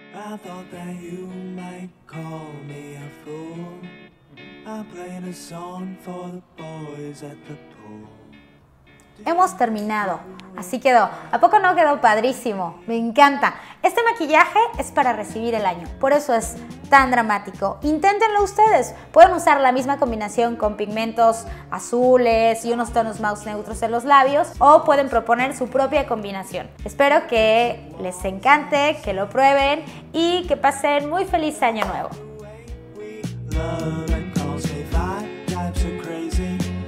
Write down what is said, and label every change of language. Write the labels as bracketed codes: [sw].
[en] I thought that you might call me a fool. I played a song for the boys at the pool. [es] Hemos terminado. Así quedó. ¿A poco no quedó padrísimo? Me encanta. Este maquillaje es para recibir el año. Por eso es tan dramático. Inténtenlo ustedes. Pueden usar la misma combinación con pigmentos azules y unos tonos más neutros en los labios o pueden proponer su propia combinación. Espero que les encante, que lo prueben y que pasen muy feliz año nuevo. [en] Love and calls me five types of crazy.